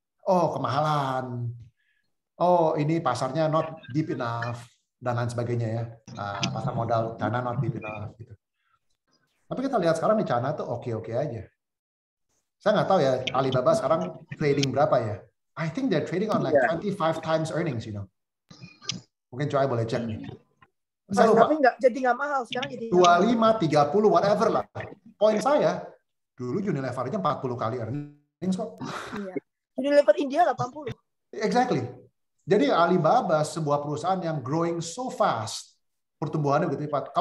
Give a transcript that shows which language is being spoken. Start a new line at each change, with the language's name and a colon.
Indonesian: Oh, kemahalan. Oh, ini pasarnya
English: not deep enough
Indonesian: dan lain sebagainya ya. Pasar modal China
English: not deep enough
Indonesian: gitu. Tapi kita lihat sekarang di China tuh oke aja. Saya nggak tahu ya Alibaba sekarang trading berapa ya.
English: I think they're trading on like 25 times earnings, you know.
Indonesian: Mungkin Joy boleh cek nih. Saya lupa. Tapi nggak mahal sekarang jadi. 25, 30, whatever lah. Poin saya, dulu Unilever-nya 40 kali earnings kok. Iya. Unilever India 80. Exactly. Jadi Alibaba sebuah perusahaan yang
English: growing so fast,
Indonesian: pertumbuhannya begitu cepat.